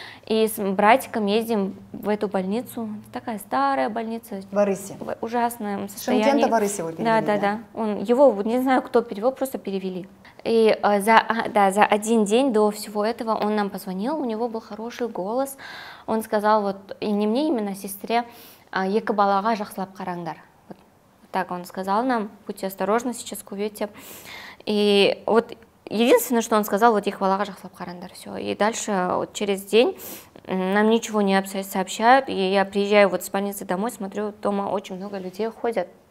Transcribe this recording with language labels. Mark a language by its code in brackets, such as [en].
[ru] И с братиком ездим в эту больницу. Такая старая больница. В РСИ. В ужасном состоянии. Шымкента в РСИ его перевели. Да. Его, не знаю, кто перевел, просто перевели. И за один день до всего этого он нам позвонил, у него был хороший голос. Он сказал вот, и не мне, именно сестре, [kk] «Екабалаға жақсылап қараңдар». [ru] Вот так он сказал нам, будьте осторожны сейчас в кувете. И вот единственное, что он сказал, вот [kk] «Екабалаға жақсылап қараңдар», [ru] все. И дальше вот через день нам ничего не сообщают, и я приезжаю вот с больницы домой, смотрю, дома очень много людей ходят.